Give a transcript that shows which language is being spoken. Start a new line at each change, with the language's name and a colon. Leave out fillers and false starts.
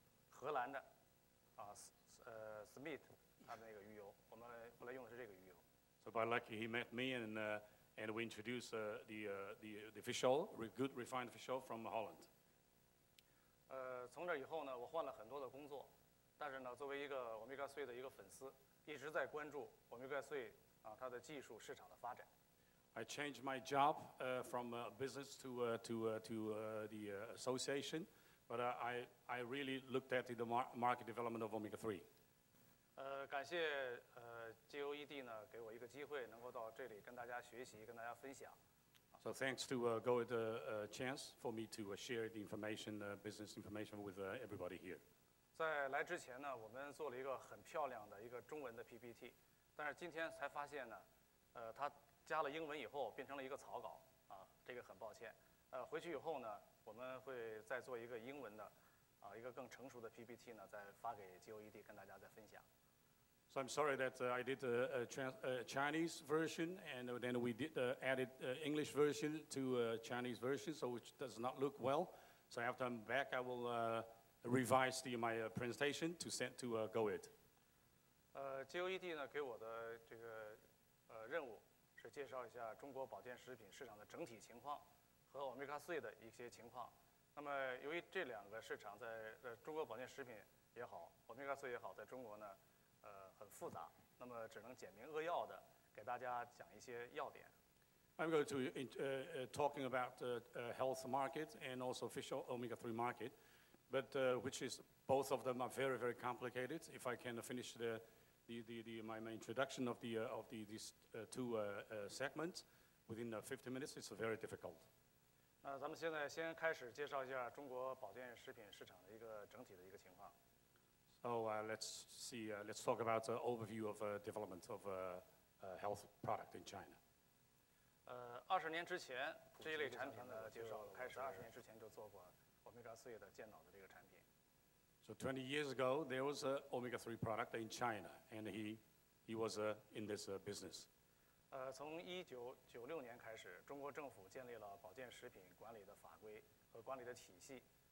Chinese: 后来我们很幸运碰到了那个杨先生，他当时呢向我们推荐说在国外其实鱼油精制的这个市场呢，这个技术已经很成熟，那么他当时推荐给我们的产品，我记得是荷兰的。Smith, 他的那个鱼油，我们后来用的是这个鱼油。
English: So by luck, he met me and we introduced the fish oil, good refined fish oil from Holland.
Chinese: 从这以后呢，我换了很多的工作，但是呢，作为一个 omega 3的一个粉丝，一直在关注 omega 3它的技术市场的发展。
English: I changed my job from business to the association. But I really looked at the market development of omega 3.
Chinese: 感谢 GOED 呢，给我一个机会，能够到这里跟大家学习，跟大家分享。
English: So thanks to GOED chance for me to share the information, business information with everybody here.
Chinese: 在来之前呢，我们做了一个很漂亮的一个中文的 PPT， 但是今天才发现呢，它加了英文以后变成了一个草稿啊，这个很抱歉。回去以后呢。我们会再做一个英文的，一个更成熟的 PPT 呢，再发给 GOED 跟大家再分享。
English: So I'm sorry that I did a Chinese version, and then we did added English version to a Chinese version, so which does not look well. So after I'm back, I will revise my presentation to send to GOED.
Chinese: GOED 呢给我的这个任务是介绍一下中国保健食品市场的整体情况和 Omega 3的一些情况。那么由于这两个市场在中国保健食品也好 ，Omega 3也好，在中国呢，很复杂。那么只能简明扼要的给大家讲一些要点。
English: I'm going to talking about health market and also fish omega-3 market, but which is both of them are very very complicated. If I can finish my introduction of the these two segments within 50 minutes, it's very difficult.
Chinese: 那咱们现在先开始介绍一下中国保健食品市场的一个整体的一个情况。
English: So let's see. Let's talk about the overview of development of health product in China.
Chinese: 二十年之前这一类产品的介绍开始，二十年之前就做过 omega-3 的健脑的这个产品。
English: So 20 years ago, there was an omega-3 product in China, and he was in this business.
Chinese: 从1996年开始，中国政府建立了保健食品管理的法规和管理的体系。